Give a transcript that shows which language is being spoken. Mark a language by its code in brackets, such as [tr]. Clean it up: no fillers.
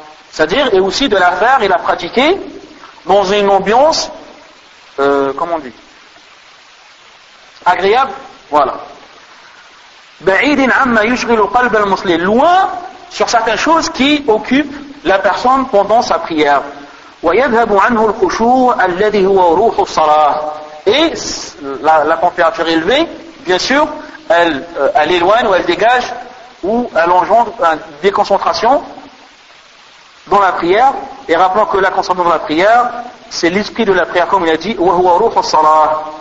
[fr] C'est-à-dire, et aussi de la faire et la pratiquer dans une ambiance, comment on dit, agréable, voilà. [ar] بَعِيدٍ عَمَّا يُشْغِلُ قَلْبَ الْمُصَلِّ. [fr] Loin sur certaines choses qui occupent la personne pendant sa prière. [ar] وَيَذْهَبُ عَنْهُ الْخُشُوعُ الَّذِي هُوَ رُوحُ الصَّلَاةِ. [fr] Et la température élevée, bien sûr, elle éloigne ou elle dégage ou elle engendre une déconcentration dans la prière. Et rappelons que la concentration dans la prière, c'est l'esprit de la prière, comme il a dit, [ar] وَهُوَ رُوحُ الصَّلَاةِ.